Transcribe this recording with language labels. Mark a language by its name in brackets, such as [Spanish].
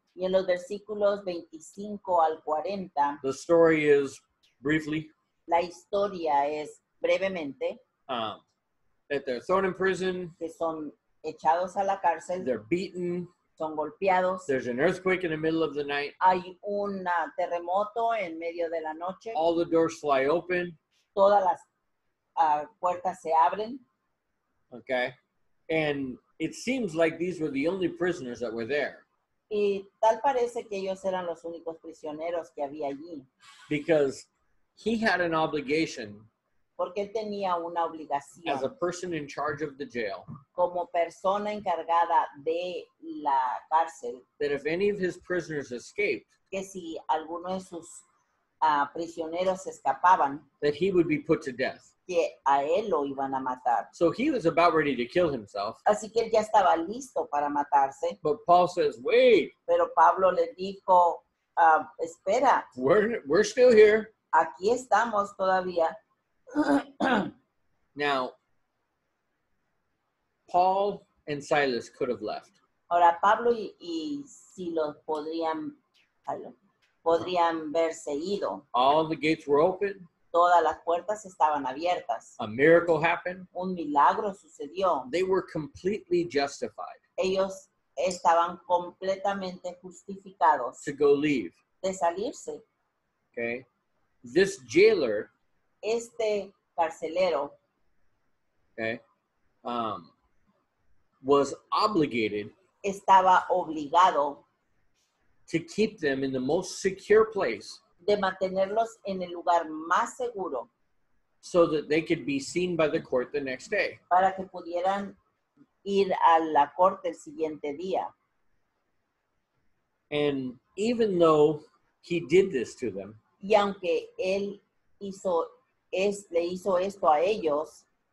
[Spanish] Y en los versículos 25 al 40. [English] The story is briefly. [Spanish] La historia es brevemente. [English] That they're thrown in prison. [Spanish] Que son echados a la cárcel. [English] They're beaten. [Spanish] Son golpeados. [English] There's an earthquake in the middle of the night. [Spanish] Hay un terremoto en medio de la noche. [English] All the doors fly open. [Spanish] todas las puertas se abren. [English] Okay. And it seems like these were the only prisoners that were there. [Spanish] Y tal parece que ellos eran los únicos prisioneros que había allí. [English] Because he had an obligation. [Spanish] Porque él tenía una obligación. [English] As a person in charge of the jail. [Spanish] Como persona encargada de la cárcel. [English] That if any of his prisoners escaped. [Spanish] Que si alguno de sus prisioneros escapaban. [English] That he would be put to death. [Spanish] Que a él lo iban a matar. [English] So he was about ready to kill himself. [Spanish] Así que él ya estaba listo para matarse. [English] But Paul says, wait. [Spanish] Pero Pablo le dijo, espera. [English] We're still here. [Spanish] Aquí estamos todavía. [English] Now, Paul and Silas could have left. [Spanish] Ahora, Pablo y Silas podrían haberse ido. [English] All the gates were open. [Spanish] Todas las puertas estaban abiertas. [English] A miracle happened. [Spanish] Un milagro sucedió. [English] They were completely justified. [Spanish] Ellos estaban completamente justificados. [English] To go leave. [Spanish] De salirse. [English] Okay. This jailer. [Spanish] Este carcelero. [English] Okay. Was obligated. [Spanish] Estaba obligado. [English] To keep them in the most secure place. [Spanish] De mantenerlos en el lugar más seguro. [English] So that they could be seen by the court the next day. [Spanish] Para que pudieran ir a la corte el siguiente día. [English] And even though he did this to them. [Spanish] Y aunque él le hizo esto a ellos.